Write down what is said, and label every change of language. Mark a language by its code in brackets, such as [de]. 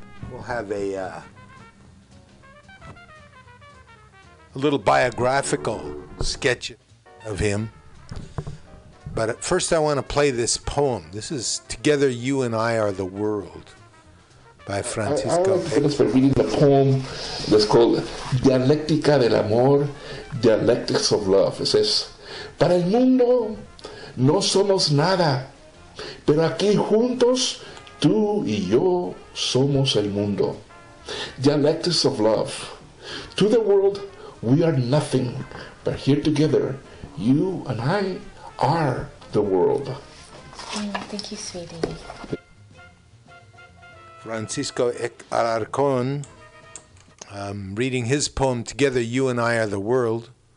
[en] We'll have a little biographical sketch of him. But first I want to play this poem. This is Together You and I Are the World by Francisco. I want to finish by reading the poem that's called Dialéctica del Amor, Dialectics of Love. It says, [es] Para el mundo... No somos nada, pero aquí juntos, tú y yo somos el mundo. [en] Dialectics of love. To the world, we are nothing, but here together, you and I are the world. Thank you, sweetie. Francisco Alarcón, reading his poem, Together You and I Are the World.